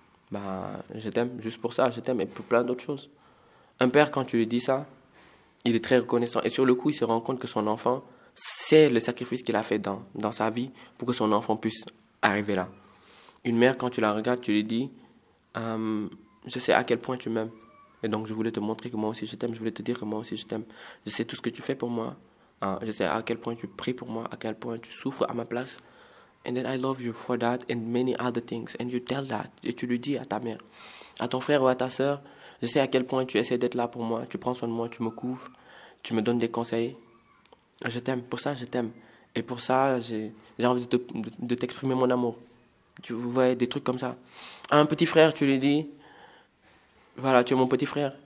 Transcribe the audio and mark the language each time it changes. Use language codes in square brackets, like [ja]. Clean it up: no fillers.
[fr] Bah, je t'aime juste pour ça, je t'aime et pour plein d'autres choses. Un père, quand tu lui dis ça, il est très reconnaissant et sur le coup, il se rend compte que son enfant sait le sacrifice qu'il a fait dans sa vie pour que son enfant puisse arriver là. Une mère, quand tu la regardes, tu lui dis, je sais à quel point tu m'aimes. Et donc, je voulais te montrer que moi aussi, je t'aime. Je voulais te dire que moi aussi, je t'aime. Je sais tout ce que tu fais pour moi. Je sais à quel point tu pries pour moi, à quel point tu souffres à ma place. [en] And then I love you for that and many other things. And you tell that. [fr] Et tu lui dis à ta mère, à ton frère ou à ta sœur, je sais à quel point tu essaies d'être là pour moi. Tu prends soin de moi, tu me couvres, tu me donnes des conseils. Je t'aime. Pour ça, je t'aime. Et pour ça, j'ai envie de t'exprimer mon amour. Tu vois, des trucs comme ça. À un petit frère, tu lui dis, voilà, tu es mon petit frère.